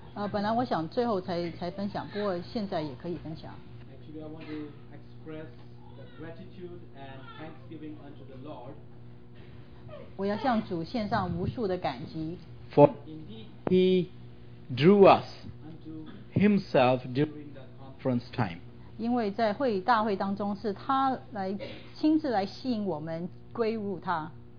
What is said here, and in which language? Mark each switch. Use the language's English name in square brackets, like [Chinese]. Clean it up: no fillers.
[Chinese] 本来我想最后才分享，不过现在也可以分享。 [English] Actually, I want to express the gratitude and thanksgiving unto the Lord. [Chinese] 我要向主献上无数的感激。 [English] For indeed He drew us unto Himself during the conference time. [Chinese] 因为在会议大会当中是他来亲自来吸引我们归入他。